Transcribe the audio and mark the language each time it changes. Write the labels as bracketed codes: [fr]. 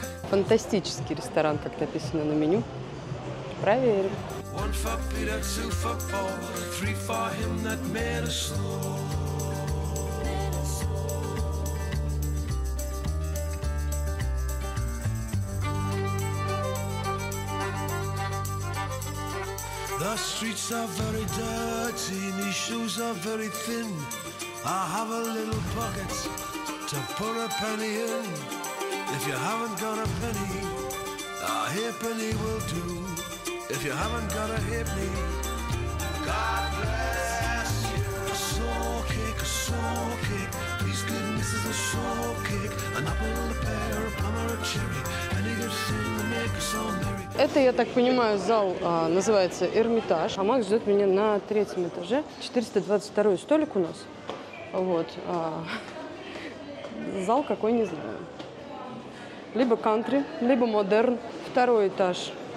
[ru] Фантастический ресторан, как написано на меню. Проверим. [en] One for Peter, two for Paul, three for him that made us all. The streets are very dirty, my shoes are very thin. I have a little pocket to put a penny in. If you haven't got a penny, a halfpenny will do. If you haven't got a hippie, God bless you. A soul cake, a soul cake. Please, good missus, a soul cake. An apple, a pear, a plum, or a cherry. Any good thing to make us all merry. [ru] Это, я так понимаю, зал называется Эрмитаж. А Макс ждет меня на 3-м этаже. 422-й столик у нас. Вот. Зал какой, не знаю. Либо кантри, либо модерн. 2-й этаж.